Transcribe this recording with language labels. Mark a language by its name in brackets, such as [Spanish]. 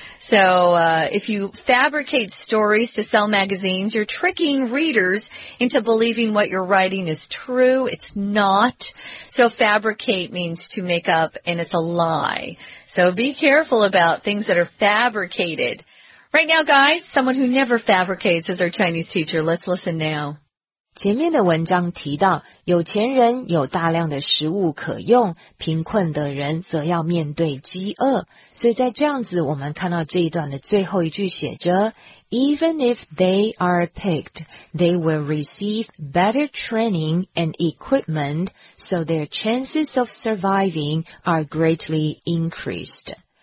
[English] So if you fabricate stories to sell magazines, you're tricking readers into believing what you're writing is true. It's not. So fabricate means to make up, and it's a lie. So be careful about things that are fabricated. Right now, guys, someone who never fabricates is our Chinese teacher. Let's listen now. [Chinese] 前面的文章提到，有钱人有大量的食物可用，贫困的人则要面对饥饿。所以在这样子，我们看到这一段的最后一句写着 [English] ,Even if they are picked, they will receive better training and equipment, so their chances of surviving are greatly increased.